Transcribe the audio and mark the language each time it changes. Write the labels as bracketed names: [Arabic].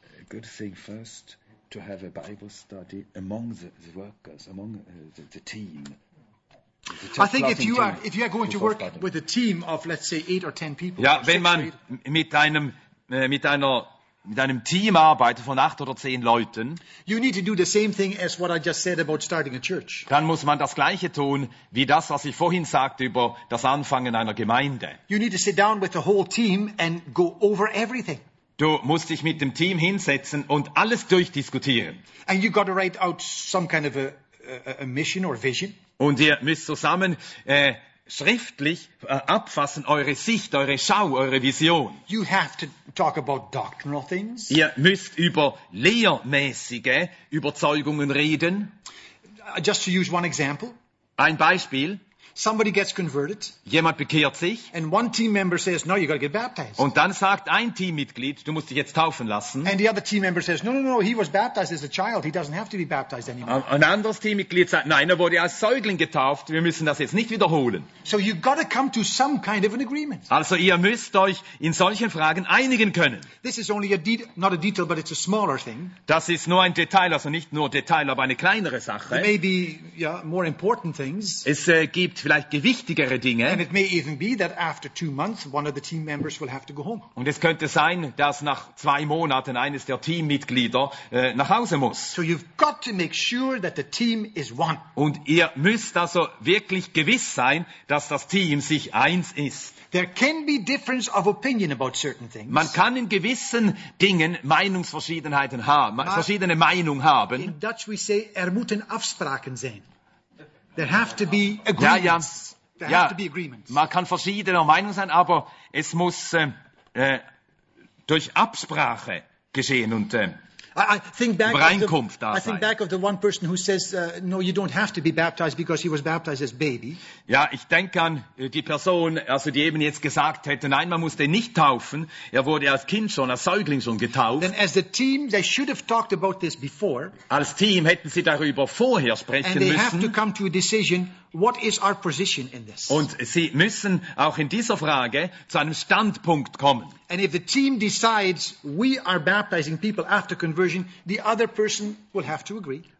[English] Good thing first to have a Bible study among the workers, among the team. I think if you are going to work with a team of let's say 8 or 10 people. [German] Ja, wenn man mit einem Team arbeitet von 8 oder 10 Leuten. [English] You need to do the same thing as what I just said about starting a church. [German] Dann muss man das Gleiche tun wie das, was ich vorhin sagte über das Anfangen einer Gemeinde. [English] You need to sit down with the whole team and go over everything. [German] Du musst dich mit dem Team hinsetzen und alles durchdiskutieren. [English] And you got to write out some kind of a mission or vision. [German] Und ihr müsst zusammen schriftlich abfassen eure Sicht, eure Schau, eure Vision. [English] You have to talk about doctrinal things. [German] Ihr müsst über lehrmäßige Überzeugungen reden. [English] Just to use one example. [German] Ein Beispiel. [English] Somebody gets converted. [German] Jemand bekehrt sich. [English] And one team member says, no, you got to get baptized. [German] Und dann sagt ein Teammitglied, du musst dich jetzt taufen lassen. [English] And the other team member says, no, he was baptized as a child. He doesn't have to be baptized anymore. [German] Ein anderes Teammitglied sagt, nein, er wurde als Säugling getauft. Wir müssen das jetzt nicht wiederholen. [English] So you got to come to some kind of an agreement. [German] Also ihr müsst euch in solchen Fragen einigen können. [English] This is only not a detail, but it's a smaller thing. [German] Das ist nur ein Detail, also nicht nur Detail, aber eine kleinere Sache. [English] Maybe more important things. [German] Es gibt vielleicht gewichtigere Dinge. [English] And it may even be that after 2 months one of the team members will have to go home. [German] Und es könnte sein, dass nach 2 Monaten eines der Teammitglieder nach Hause muss. [English] So you've got to make sure that the team is one. [German] Und ihr müsst also wirklich gewiss sein, dass das Team sich eins ist. [English] There can be difference of opinion about certain things. [German] Man kann in gewissen Dingen Meinungsverschiedenheiten haben, verschiedene Meinung haben. [English] In Dutch we say [Dutch] er moeten afspraken zijn. [English] There have to be agreements. [German] Ja, ja. [English] There have to be agreements. [German] Man kann verschiedener Meinung sein, aber es muss durch Absprache geschehen und Übereinkunft da sein. [English] I think back of the one person who says, no, you don't have to be baptized because he was baptized as baby. [German] Ja, ich denke an die Person, also die eben jetzt gesagt hätte, nein, man muss den nicht taufen. Er wurde als Kind schon, als Säugling schon getauft. [English] Then as the team, they should have talked about this before. [German] Als Team hätten sie darüber vorher sprechen [English] And they have to come to a decision. What is our position in this? [German] Und sie müssen auch in dieser Frage zu einem Standpunkt kommen. [English] And if the team decides we are baptizing people after conversion, the other person will have to agree.